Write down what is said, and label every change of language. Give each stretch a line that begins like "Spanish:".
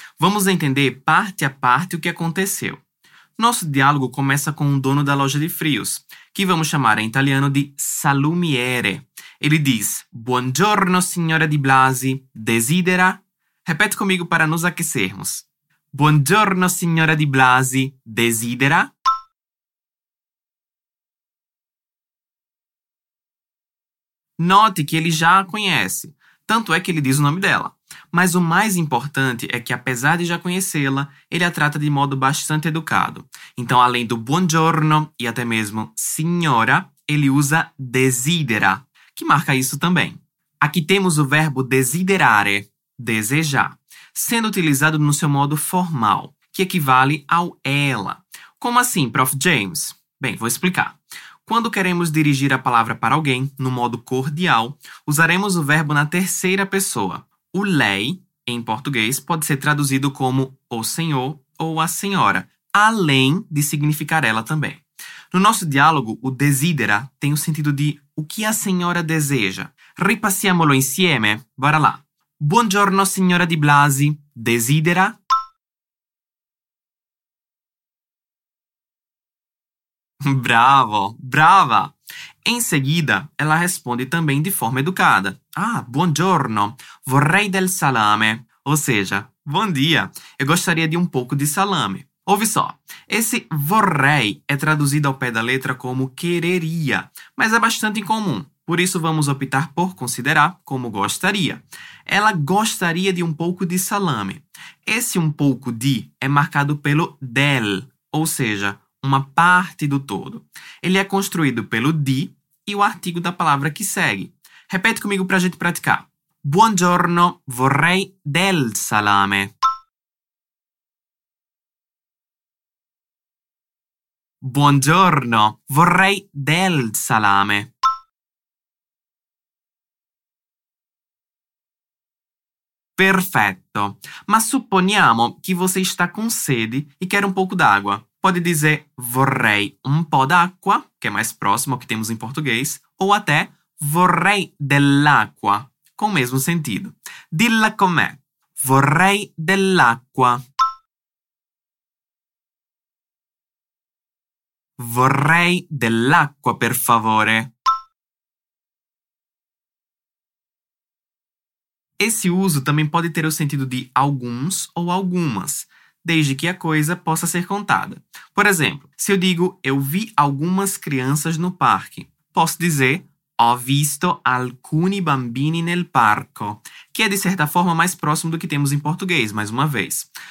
Portuguese: Vamos entender parte a parte o que aconteceu. Nosso diálogo começa com o dono da loja de frios, que vamos chamar em italiano de salumiere. Ele diz,
Italian: buongiorno signora Di Blasi, desidera?
Portuguese: Repete comigo para nos aquecermos.
Italian: Buongiorno signora Di Blasi, desidera?
Portuguese: Note que ele já a conhece, tanto é que ele diz o nome dela. Mas o mais importante é que, apesar de já conhecê-la, ele a trata de modo bastante educado. Então, além do buongiorno e até mesmo signora, ele usa desidera, que marca isso também. Aqui temos o verbo desiderare, desejar, sendo utilizado no seu modo formal, que equivale ao ela. Como assim, Prof. James? Bem, vou explicar. Quando queremos dirigir a palavra para alguém, no modo cordial, usaremos o verbo na terceira pessoa. O lei, em português, pode ser traduzido como o senhor ou a senhora, além de significar ela também. No nosso diálogo, o desidera tem o sentido de o que a senhora deseja.
Italian: Ripassiamolo insieme,
Portuguese: bora lá.
Italian: Buongiorno, signora Di Blasi, desidera? Bravo, brava!
Portuguese: Em seguida, ela responde também de forma educada.
Italian: Ah, buongiorno, vorrei del salame.
Portuguese: Ou seja, bom dia, eu gostaria de um pouco de salame. Ouve só, esse vorrei é traduzido ao pé da letra como quereria, mas é bastante incomum. Por isso, vamos optar por considerar como gostaria. Ela gostaria de um pouco de salame. Esse um pouco de é marcado pelo del, ou seja, uma parte do todo. Ele é construído pelo di e o artigo da palavra que segue. Repete comigo para a gente praticar.
Italian: Buongiorno, vorrei del salame. Buongiorno, vorrei del salame. Perfetto. Ma supponiamo che
Portuguese: você está com sede e quer um pouco d'água. Pode dizer
Italian: vorrei um po' d'acqua,
Portuguese: que é mais próximo ao que temos em português, ou até
Italian: vorrei dell'acqua,
Portuguese: com o mesmo sentido.
Italian: Dilla com'è. Vorrei dell'acqua. Vorrei dell'acqua, per favore.
Portuguese: Esse uso também pode ter o sentido de alguns ou algumas, desde que a coisa possa ser contada. Por exemplo, se eu digo eu vi algumas crianças no parque, posso dizer
Italian: ho visto alcuni bambini nel parco,
Portuguese: que é de certa forma mais próximo do que temos em português, mais uma vez.